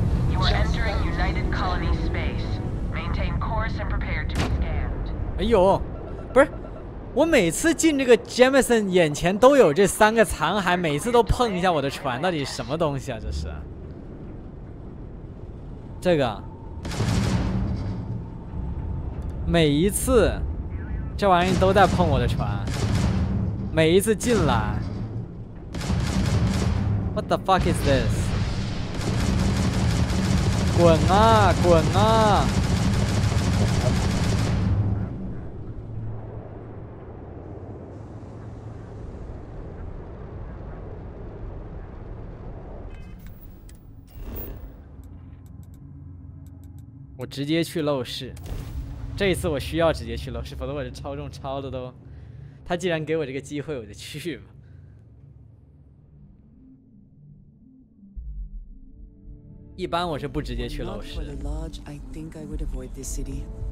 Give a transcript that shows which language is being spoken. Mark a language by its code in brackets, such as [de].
[en] You are entering United Colony space. Maintain course and prepare to be scanned. [zh] 哎呦，不是。我每次进这个 Jameson 眼前都有这三个残骸，每次都碰一下我的船，到底什么东西啊？这是这个，每一次这玩意都在碰我的船，每一次进来 ， [en] What the fuck is this？ [zh] 滚啊滚啊！我直接去陋室，这一次我需要直接去陋室，否则我这超重超的都，他既然给我这个机会我就去吧。一般我是不直接去陋室。 [en] For the lodge, I think I would avoid this city.